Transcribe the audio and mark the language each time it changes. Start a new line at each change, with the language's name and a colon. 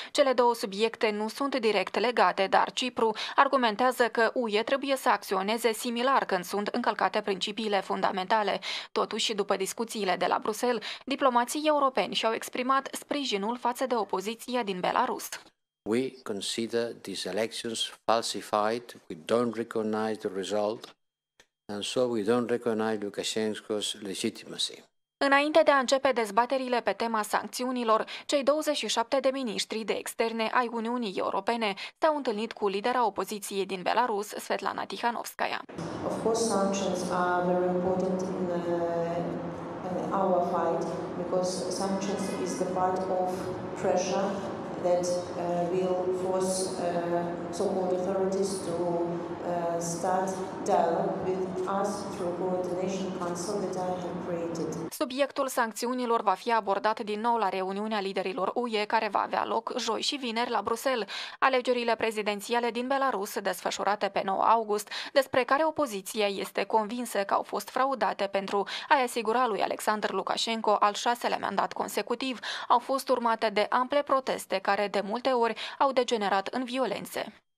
Romanian: Cele două subiecte nu sunt direct legate, dar Cipru argumentează că UE trebuie să acționeze similar când sunt încălcate principiile fundamentale. Totuși, după discuțiile de la Bruxelles, diplomații europeni și-au exprimat sprijinul sprijinul față de opoziția din Belarus.
English: We consider these elections falsified. We don't recognize the result and so we don't recognize Lukashenko's legitimacy.
Romanian: Înainte de a începe dezbaterile pe tema sancțiunilor, cei 27 de miniștri de externe ai Uniunii Europene s-au întâlnit cu lidera opoziției din Belarus, Svetlana Tihanovskaya.
English: Of course, sanctions are very important in our fight because sanctions is the part of pressure that will force so-called authorities to start dialogue with us through coordination council that I have created.
Romanian: Subiectul sancțiunilor va fi abordat din nou la reuniunea liderilor UE, care va avea loc joi și vineri la Bruxelles. Alegerile prezidențiale din Belarus, desfășurate pe 9 august, despre care opoziția este convinsă că au fost fraudate pentru a-i asigura lui Alexander Lukashenko al 6-lea mandat consecutiv, au fost urmate de ample proteste care de multe ori au degenerat în violențe.